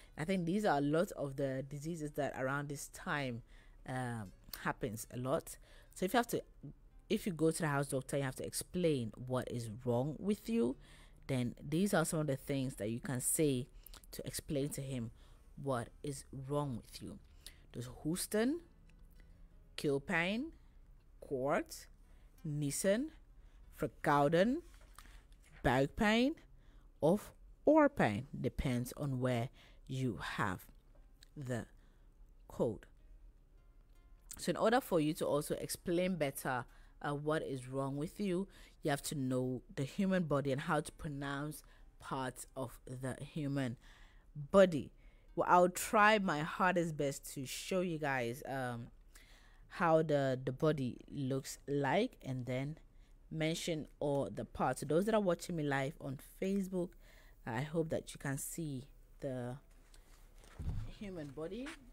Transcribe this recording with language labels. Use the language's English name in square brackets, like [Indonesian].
[English] I think these are a lot of the diseases that around this time happens a lot. So if you go to the house doctor, you have to explain what is wrong with you, then these are some of the things that you can say to explain to him what is wrong with you. [Dutch] Dus hoesten, keelpijn, koort, niezen, verkouden, buikpijn of oorpijn, [English] depends on where you have the cold. So in order for you to also explain better what is wrong with you, you have to know the human body and how to pronounce parts of the human body. Well, I'll try my hardest best to show you guys how the body looks like and then mention all the parts. So those that are watching me live on Facebook, I hope that you can see the human body.